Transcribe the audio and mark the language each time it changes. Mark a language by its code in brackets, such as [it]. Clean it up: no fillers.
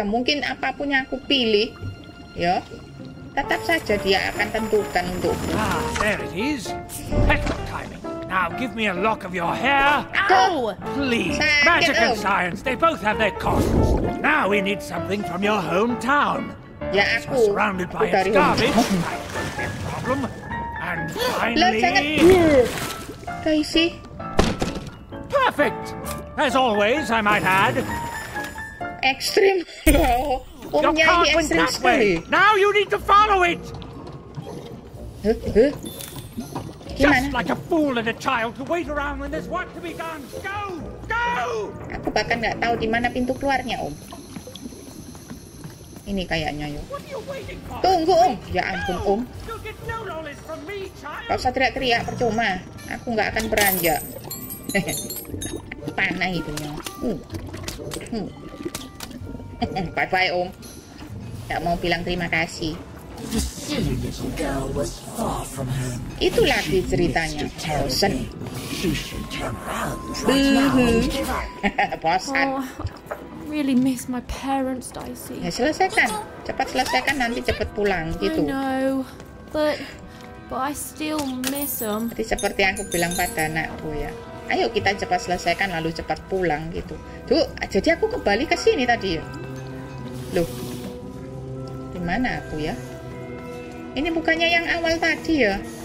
[id] Mungkin apapun yang aku pilih, ya, tetap saja dia akan tentukan untukku. [en] Ah, there it is. Perfect timing. Now give me a lock of your hair. Oh, please. Magic and science, they both have their costs. Now we need something from your hometown. [id] Ya, aku. [en] So surrounded by its garbage, I've got a problem. And finally... Daisy. Perfect. As always, I might add... Extreme. Your car went that way. Now you need to follow it. Just like a fool and a child to wait around when there's work to be done. Go! Go! [id] Aku bahkan nggak tahu di mana pintu keluarnya, Om. Ini kayaknya, yuk. Tunggu, Om. Ya ampun, Om. Gak usah teriak-teriak, percuma. Aku nggak akan beranjak. Panah hidungnya. Bye-bye, Om. Nggak mau bilang terima kasih. [en] The silly little girl was far from home. [id] Itulah she ceritanya. Bosan. [en] She should turn around right now. [id] Bosan. [en] Oh, I really miss my parents, Daisy. [id] Ya, selesaikan. Cepat selesaikan, nanti cepat pulang. Gitu. [en] I know, but I still miss them. [id] Jadi seperti yang aku bilang pada anakku ya. Ayo kita cepat selesaikan, lalu cepat pulang. Gitu. Duh, jadi aku kembali ke sini tadi. Loh. Di mana aku ya? Ini bukannya yang awal tadi ya?